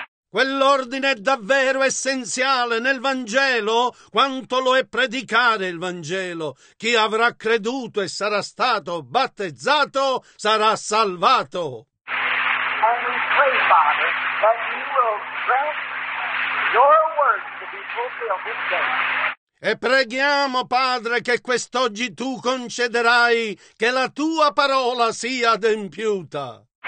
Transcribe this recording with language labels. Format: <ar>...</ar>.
<it>Quell'ordine è davvero essenziale nel Vangelo quanto lo è predicare il Vangelo. Chi avrà creduto e sarà stato battezzato sarà salvato.</it> <en>And we pray, Father, that you will grant your word to be fulfilled this day.</en> <it>E preghiamo, Padre, che quest'oggi tu concederai che la tua parola sia adempiuta.</it>